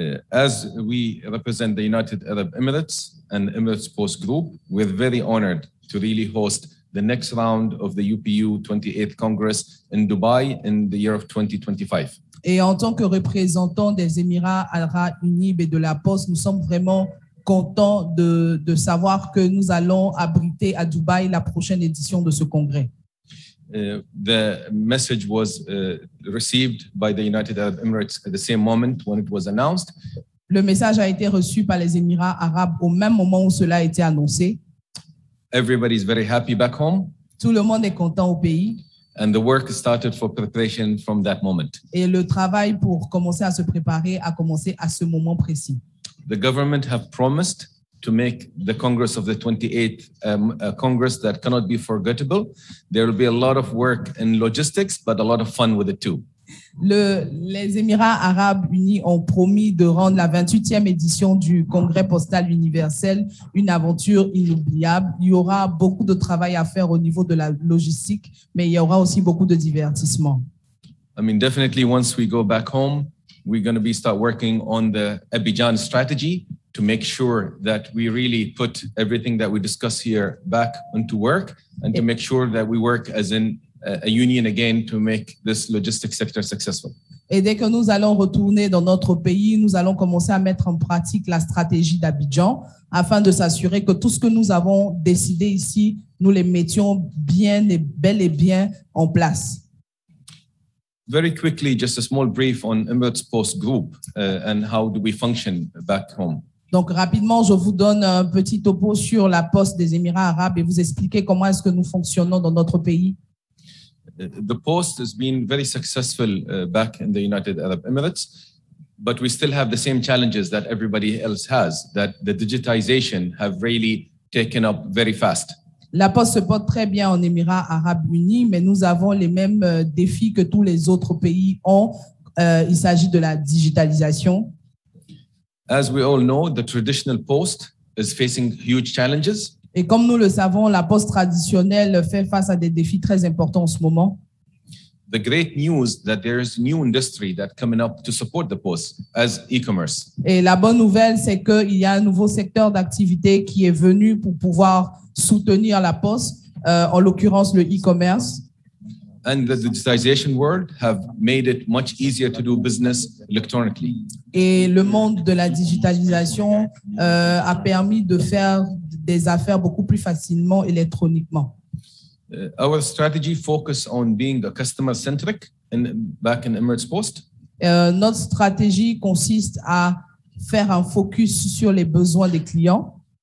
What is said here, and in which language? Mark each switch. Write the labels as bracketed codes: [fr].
[en] As we represent the United Arab Emirates and Emirates Post Group, we're very honored to really host the next round of the UPU 28th Congress in Dubai in the year of 2025. [fr] Et en tant que représentant des Émirats Arabes Unis et de la Poste, nous sommes vraiment contents de savoir que nous allons abriter à Dubaï la prochaine édition de ce congrès. [en] The message was received by the United Arab Emirates at the same moment when it was announced. [fr] Le message a été reçu par les Émirats Arabes au même moment où cela a été annoncé. [en] Everybody is very happy back home. [fr] Tout le monde est content au pays. [en] And the work started for preparation from that moment. [fr] Et le travail pour commencer à se préparer a commencé à ce moment précis. [en] The government have promised to make the Congress of the 28th a Congress that cannot be forgettable. There will be a lot of work in logistics, but a lot of fun with it too. [fr] Les Émirats Arabes Unis ont promis de rendre la 28e édition du Congrès Postal Universel une aventure inoubliable. Il y aura beaucoup de travail à faire au niveau de la logistique, mais il y aura aussi beaucoup de divertissement. [en] I mean, definitely once we go back home, we're going to be start working on the Abidjan strategy to make sure that we really put everything that we discuss here back into work and to make sure that we work as in a union again to make this logistics sector successful. [fr] Et dès que nous allons retourner dans notre pays, nous allons commencer à mettre en pratique la stratégie d'Abidjan afin de s'assurer que tout ce que nous avons décidé ici, nous les mettions bien et bel et bien en place. [en] Very quickly, just a small brief on Emirates Post Group and how do we function back home. [fr] Donc rapidement, je vous donne un petit topo sur la Poste des Émirats Arabes et vous expliquer comment est-ce que nous fonctionnons dans notre pays. [en] The post has been very successful back in the United Arab Emirates, but we still have the same challenges that everybody else has, that the digitization have really taken up very fast. [fr] La Poste se porte très bien en Émirats Arabes Unis, mais nous avons les mêmes défis que tous les autres pays ont. Il s'agit de la digitalisation. [en] As we all know, the traditional post is facing huge challenges. [fr] Et comme nous le savons, la poste traditionnelle fait face à des défis très importants en ce moment. [en] The great news that there is new industry that coming up to support the post as e-commerce. [fr] Et la bonne nouvelle, c'est que il y a un nouveau secteur d'activité qui est venu pour pouvoir soutenir la poste, en l'occurrence le e-commerce. [en] And the digitization world have made it much easier to do business electronically. [fr] Et le monde de la digitalisation a permis de faire des affaires beaucoup plus facilement électroniquement. [en] Our strategy focuses on being a customer centric in back in Emirates Post. [fr] Notre stratégie consiste à faire un focus sur les besoins des clients.